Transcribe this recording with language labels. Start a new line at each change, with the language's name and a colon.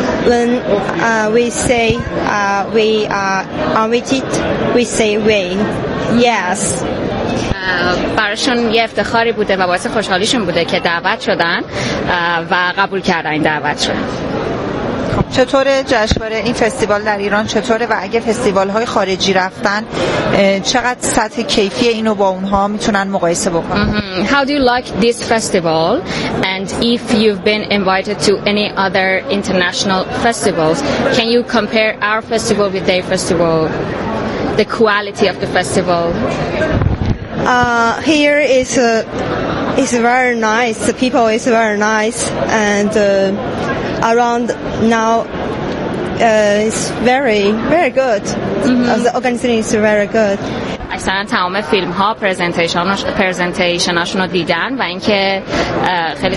English: When we say we are invited, we say we. Yes.
Persian: برایشون یه افتخاری بوده و باعث خوشحالیشون بوده که دعوت شدن و قبول کردن این دعوت شدن. چطوره جشنواره این فستیوال در ایران چطوره و اگه فستیوال‌های خارجی رفتن چقدر سطح کیفی اینو با اونها میتونن مقایسه بکنن؟
English: How do you like this festival and if you've been invited to any other international festivals, can you compare our festival with their festival, the quality of the festival? Here is it's very nice. The people is very nice, and around now it's very very good. Mm-hmm. The organization is very good.
Persian: اصلا تمام فیلم ها پرزنتیشناشون رو دیدن و اینکه خیلی